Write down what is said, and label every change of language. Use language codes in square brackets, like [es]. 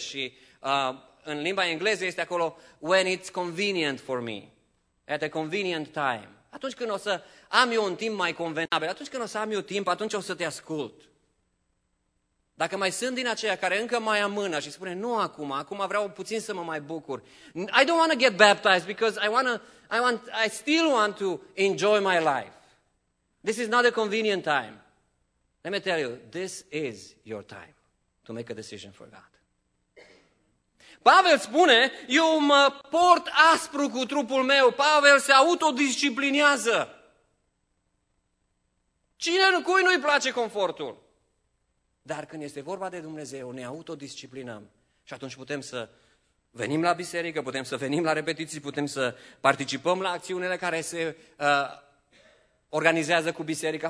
[ro] Și în limba engleză este acolo, [en] when it's convenient for me, at a convenient time. [ro] Atunci când o să am eu un timp mai convenabil, atunci când o să am eu timp, atunci o să te ascult. Dacă mai sunt din aceia care încă mai am mâna și spune, nu acum, acum vreau puțin să mă mai bucur. [en] I don't want to get baptized because I still want to enjoy my life. This is not a convenient time. Let me tell you, this is your time to make a decision for God. [ro] Pavel spune, eu mă port aspru cu trupul meu. Pavel se autodisciplinează. Cine nu, cui nu-i place confortul? Dar când este vorba de Dumnezeu, ne autodisciplinăm. Și atunci putem să venim la biserică, putem să venim la repetiții, putem să participăm la acțiunile care se organizează cu biserica.